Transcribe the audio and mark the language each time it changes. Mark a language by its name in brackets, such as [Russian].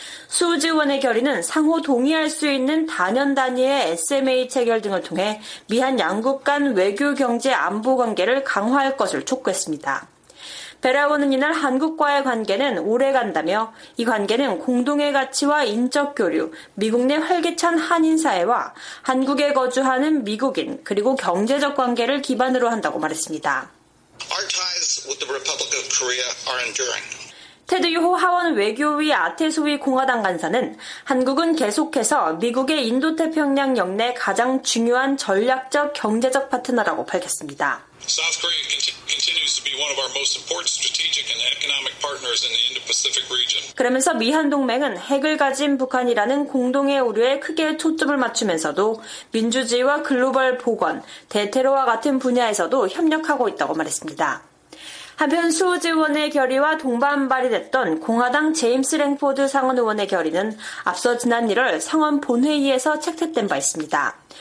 [Korean] 수우지 의원의 결의는 상호 동의할 수 있는 단연 단위의 SMA 체결 등을 통해 미한 양국 간 외교 경제 안보 관계를 강화할 것을 촉구했습니다. 베라 의원은 이날 한국과의 관계는 오래간다며 이 관계는 공동의 가치와 인적 교류, 미국 내 활기찬 한인사회와 한국에 거주하는 미국인 그리고 경제적 관계를 기반으로 한다고 말했습니다. [English] Our ties with the Republic of Korea are enduring. [Korean] 테드 유호 하원 외교위 아테소위 공화당 간사는 한국은 계속해서 미국의 인도태평양 역내 가장 중요한 전략적 경제적 파트너라고 밝혔습니다. [English] South Korea continues to be one of our most important strategic and economic partners in the Indo-Pacific region. [Korean] 그러면서 미한동맹은 핵을 가진 북한이라는 공동의 우려에 크게 초점을 맞추면서도 민주주의와 글로벌 보건, 대테러와 같은 분야에서도 협력하고 있다고 말했습니다. 한편 수호재 의원의 결의와 동반 발의됐던 공화당 제임스 랭포드 상원 의원의 결의는 앞서 지난 1월 상원 본회의에서 채택된 바 있습니다.